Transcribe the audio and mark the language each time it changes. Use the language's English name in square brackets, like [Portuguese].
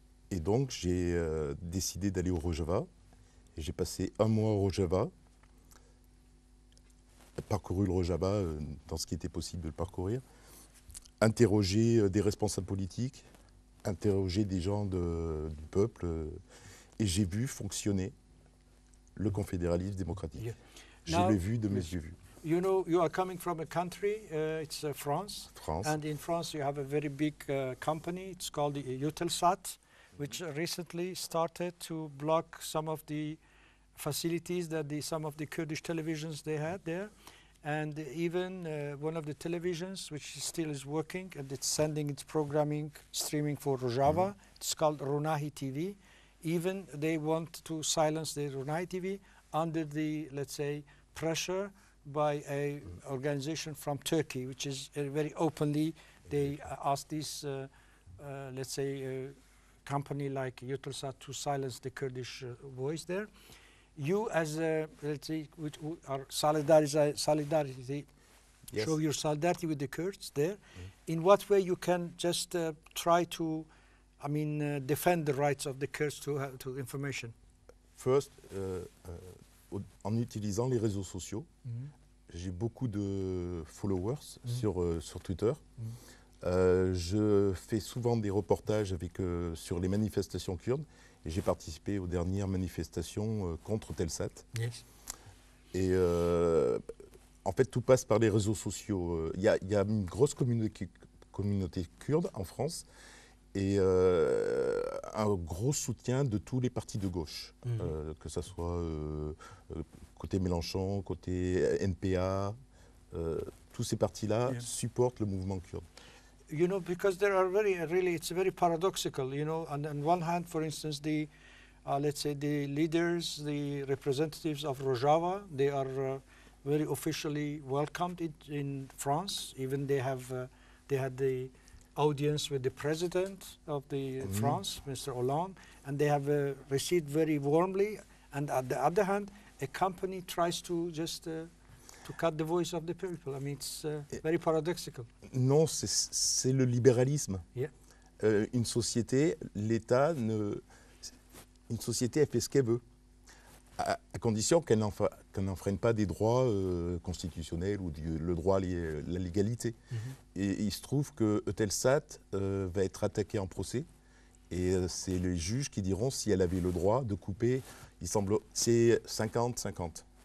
[French] Et donc j'ai décidé d'aller au Rojava, et j'ai passé un mois au Rojava, parcouru le Rojava dans ce qui était possible de le parcourir, interrogé des responsables politiques, interrogé des gens du peuple, et j'ai vu fonctionner le confédéralisme démocratique. Yeah. Je l'ai vu de mes yeux vus. [English] You know, you are coming from a country, it's France. France. And in France, you have a very big company, it's called Eutelsat, which recently started to block some of the facilities that some of the Kurdish televisions they had there, and even one of the televisions which still is working and it's sending its programming streaming for Rojava, mm-hmm. it's called Runahi TV, even they want to silence the Runahi TV under the, let's say, pressure by a mm-hmm. organization from Turkey, which is very openly, they ask this, let's say, company like Eutelsat to silence the Kurdish voice there. You as a, let's say, which are solidarity, yes. show your solidarity with the Kurds there. Mm. In what way you can just try to, I mean, defend the rights of the Kurds to information? [French] First, en utilisant les réseaux sociaux, mm-hmm. j'ai beaucoup de followers mm-hmm. sur Twitter. Mm-hmm. Je fais souvent des reportages sur les manifestations kurdes. Et j'ai participé aux dernières manifestations contre Telsat. [English] Yes. [French] Et en fait, tout passe par les réseaux sociaux. Il y a une grosse communauté kurde en France et un gros soutien de tous les partis de gauche, mm-hmm. Que ce soit côté Mélenchon, côté NPA, tous ces partis-là yeah. supportent le mouvement kurde. [English] You know, because there are very, really, it's very paradoxical, you know, on one hand, for instance, the, let's say, the leaders, the representatives of Rojava, they are very officially welcomed in France. Even they have, they had the audience with the president of the mm-hmm. France, Mr. Hollande, and they have received very warmly. And on the other hand, a company tries to just, to cut the voice of the people. I mean, it's very paradoxical. [French] Non, c'est le libéralisme. [English] Yeah. [French] Une société, l'État, une société, elle fait ce qu'elle veut, à condition qu'elle n'enfreigne pas des droits constitutionnels ou le droit à la légalité. Mm-hmm. Et il se trouve que Eutelsat va être attaqué en procès, et c'est les juges qui diront si elle avait le droit de couper, il semble, c'est 50-50.